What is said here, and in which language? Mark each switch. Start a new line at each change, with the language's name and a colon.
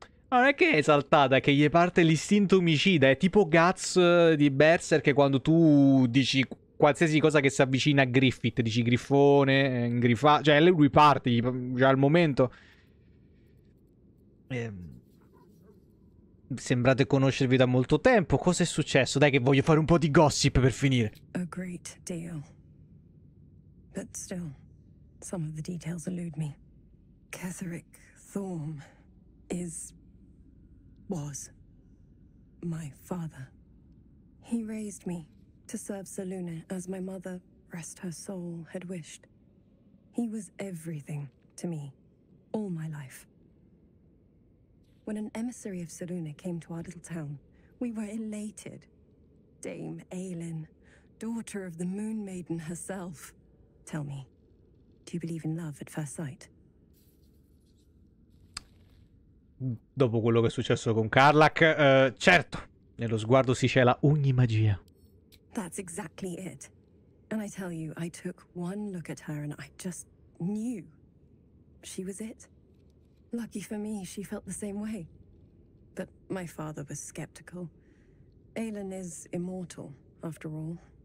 Italian: Non è che è esaltata, che gli parte l'istinto omicida. È tipo Guts di Berserk, che quando tu dici qualsiasi cosa che si avvicina a Griffith, dici grifone, grifa, cioè lui parte già al momento. Sembrate conoscervi da molto tempo. Cosa è successo? Dai, che voglio fare un po' di gossip per finire.
English: A great deal. But still, some of the details elude me. Catherick Thorm is. Was my father. He raised me to serve Saluna as my mother, rest her soul, had wished. He was everything to me, all my life. When an emissary of Saluna came to our little town, we were elated. Dame Aelin, daughter of the Moon Maiden herself. Tell me, do you believe in love at first sight?
Italian: Dopo quello che è successo con Karlach, certo, nello sguardo si cela ogni magia.
English: That's exactly it. And I tell you, I took one look at her and I just knew she was it. Lucky for me, she felt the same way. But my father was skeptical. Aelin is immortal, after all.